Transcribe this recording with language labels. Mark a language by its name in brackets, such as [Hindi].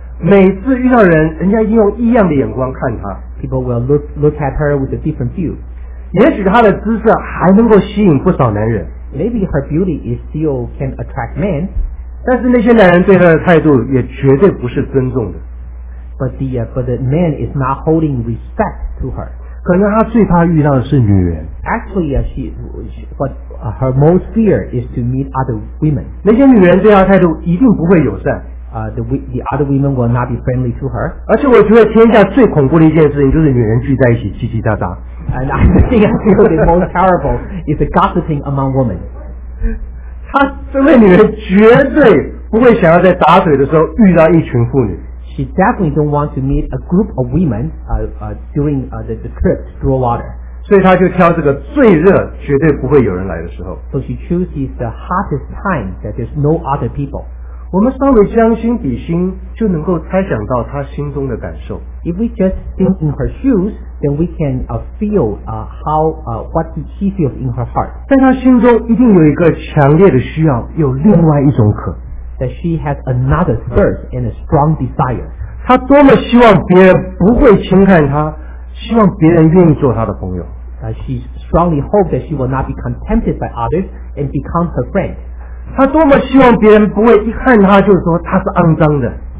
[Chinese] 每次遇到人，人家一定用异样的眼光看她。 [English] People will look at her with a different view. [Chinese] 也许她的姿色还能够吸引不少男人。 [English] Maybe her beauty is still can attract men. [Chinese] 但是那些男人对她的态度也绝对不是尊重的。 [English] But the man is not holding respect to her. [Chinese] 可能他最怕遇到的是女人。 [English] Actually, her most fear is to meet other women. [Chinese] 那些女人对她态度一定不会友善。 [English] The other women will not be friendly to her. [Chinese] 而且我觉得天下最恐怖的一件事情就是女人聚在一起叽叽喳喳。 [English] And I think the most terrible is the gossiping among women. [Chinese] 她这位女人绝对不会想要在打水的时候遇到一群妇女。 [English] She definitely don't want to meet a group of women during the trip to draw water. [Chinese] 所以她就挑这个最热绝对不会有人来的时候。 [English] So she chooses the hottest time that there's no other people. [Chinese] 我们稍微将心比心，就能够猜想到他心中的感受。 [English] If we just think in her shoes, then we can feel what she feels in her heart. [Chinese] 在他心中一定有一个强烈的需要，有另外一种渴。 [English] That she has another thirst and a strong desire. [Chinese] 他多么希望别人不会轻看他，希望别人愿意做他的朋友。 [English] She strongly hopes that she will not be contempted by others and become her friend. [Chinese] 他多么希望别人不会一看他就说他是肮脏的。